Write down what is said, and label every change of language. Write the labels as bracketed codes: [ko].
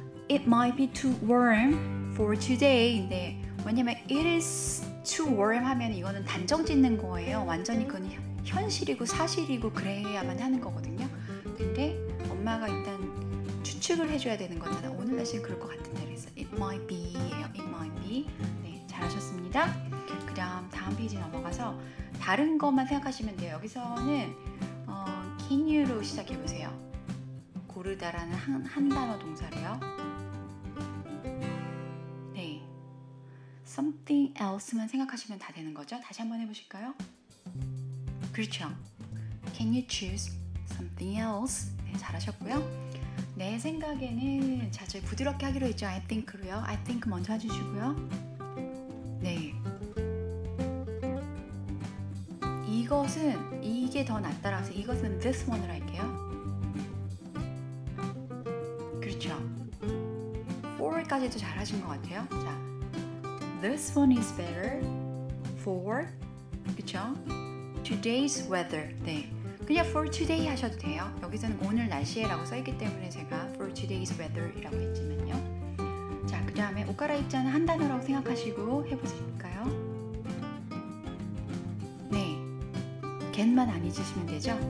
[en] It might be too warm for today. [ko] 네. 왜냐면 [en] it is too warm [ko] 하면 이거는 단정 짓는 거예요. 완전히 그건 현실이고 사실이고 그래야만 하는 거거든요. 근데 엄마가 일단 추측을 해줘야 되는 거잖아. 오늘 날씨는 그럴 것 같은데 그래서 [en] it might be [ko] 예요. [en] It might be. 네. 잘하셨습니다. [ko] 그 다음 페이지 넘어가서 다른 것만 생각하시면 돼요. 여기서는 [en] can you [ko] 로 시작해보세요. 고르다라는 한 단어 동사로요. 네, [en] something else [ko] 만 생각하시면 다 되는 거죠. 다시 한번 해보실까요? 그렇죠. [en] Can you choose something else? [ko] 네, 잘하셨고요. 내 생각에는 자, 저희 부드럽게 하기로 했죠. I think로요. I think 먼저 해주시고요. 네. 이것은 이게 더 낫다라서 이것은 [en] this one [ko] 로 할게요. 까지도 잘하신 것 같아요. 자, [en] this one is better for [ko] 그쵸? [en] Today's weather. [ko] 네, 그냥 [en] for today [ko] 하셔도 돼요. 여기서는 오늘 날씨에라고 써있기 때문에 제가 [en] for today's weather [ko] 이라고 했지만요. 자, 그 다음에 옷 갈아입자는 한 단어라고 생각하시고 해보실까요? 네, get만 안 잊으시면 되죠.